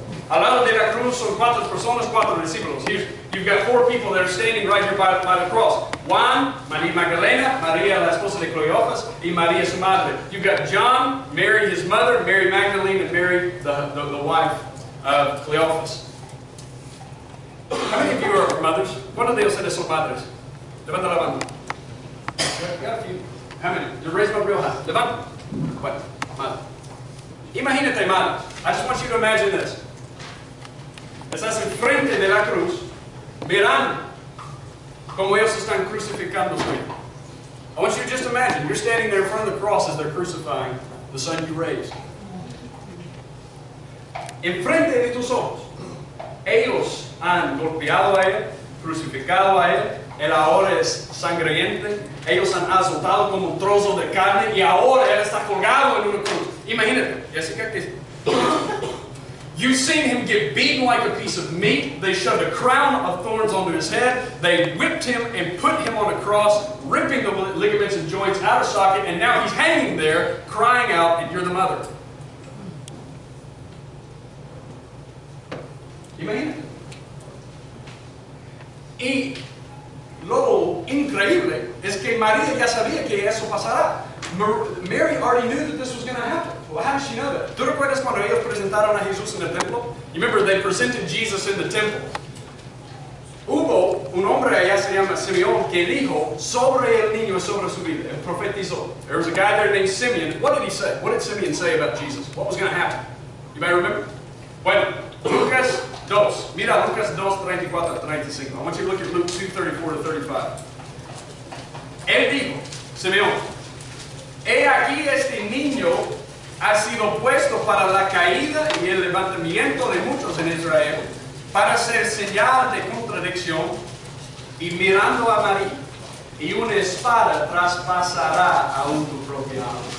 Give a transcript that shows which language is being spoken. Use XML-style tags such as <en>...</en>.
<es>Al lado de la cruz son cuatro personas, cuatro discípulos.</es> <en>You've got four people that are standing right here by the cross.</en> <es>Juan, María Magdalena, María la esposa de Cleopas, y María su madre.</es> <en>You've got John, Mary his mother, Mary Magdalene, and Mary the wife of Cleopas. How many of you are mothers?</en> <es>¿Cuántos de ustedes son padres? Levanta la mano.</es> <en>How many? You raise my real hand.</en> <es>Levanta.</es> <en>What?</en> <es>Madre. Imagínate, madre.</es> <en>I just want you to imagine this.</en> <es>Estás enfrente de la cruz. Verán como ellos están crucificando su hijo.</es> <en>I want you to just imagine. You're standing there in front of the cross as they're crucifying the son you raised.</en> <es>Enfrente de tus ojos. Ellos han golpeado a él, crucificado a él. Él ahora es sangriente. Ellos han azotado como un trozo de carne y ahora él está colgado en una cruz. Imagínate, Jessica, que</es> <en>you've seen him get beaten like a piece of meat. They shoved a crown of thorns onto his head. They whipped him and put him on a cross, ripping the ligaments and joints out of socket, and now he's hanging there, crying out, and you're the mother.</en> <es>Imagínate. Lo increíble es que María ya sabía que eso pasará.</es> <en>Mary already knew that this was going to happen. Well, how did she know that?</en> <es>¿Tú recuerdas cuando ellos presentaron a Jesús en el templo?</es> <en>You remember, they presented Jesus in the temple.</en> <es>Hubo un hombre allá, se llama Simeón, que dijo sobre el niño y sobre su vida. El profetizó.</es> <en>There was a guy there named Simeon. What did he say? What did Simeon say about Jesus? What was going to happen? You might remember?</en> <es>Bueno, Lucas 2. Mira Lucas 2, 34 a 35.</es> <en>I want you to look at Luke 2, 34 to 35.</en> <es>Él dijo, Simeón, he aquí este niño ha sido puesto para la caída y el levantamiento de muchos en Israel, para ser señal de contradicción, y mirando a María, y una espada traspasará aún tu propia alma.</es>